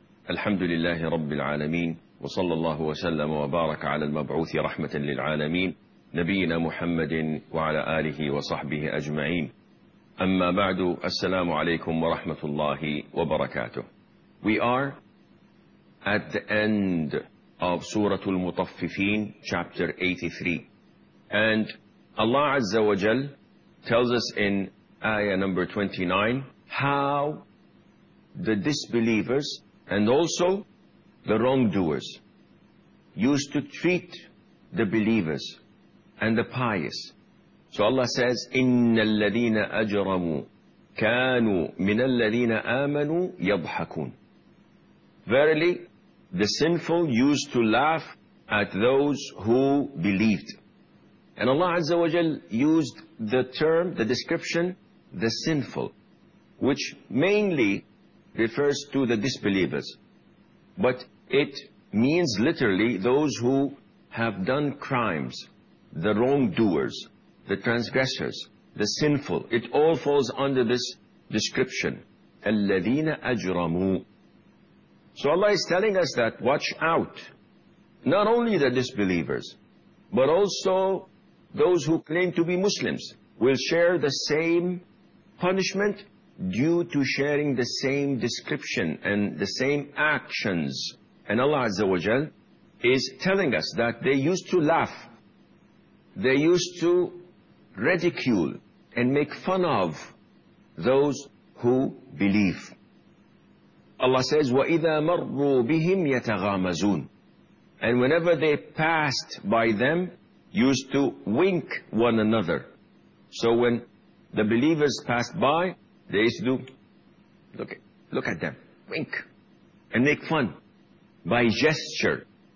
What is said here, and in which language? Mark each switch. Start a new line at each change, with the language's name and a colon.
Arabic: الحمد لله رب العالمين، وصلى الله وسلم وبارك على المبعوث رحمة للعالمين نبينا محمد وعلى آله وصحبه أجمعين. أما بعد، السلام عليكم ورحمة الله وبركاته.
English: We are at the end of سورة المطففين, chapter 83. And Allah عز وجل tells us in ayah number 29 how the disbelievers and also the wrongdoers used to treat the believers and the pious. So Allah says,
Arabic: إِنَّ الَّذِينَ أَجْرَمُوا كَانُوا مِنَ الَّذِينَ آمَنُوا يَضْحَكُونَ.
English: Verily, the sinful used to laugh at those who believed. And Allah Azza wa Jal used the term, the description, the sinful, which mainly refers to the disbelievers. But it means literally those who have done crimes, the wrongdoers, the transgressors, the sinful. It all falls under this description.
Arabic: الَّذِينَ أَجْرَمُوا.
English: So Allah is telling us that watch out. Not only the disbelievers, but also those who claim to be Muslims will share the same punishment due to sharing the same description and the same actions. And Allah Azza wa Jal is telling us that they used to laugh, they used to ridicule and make fun of those who believe. Allah says,
Arabic: وَإِذَا مَرُّوا بِهِمْ يَتَغَامَزُونَ.
English: And whenever they passed by them, used to wink one another. So when the believers passed by, they used to do, look at them, wink, and make fun by gesture.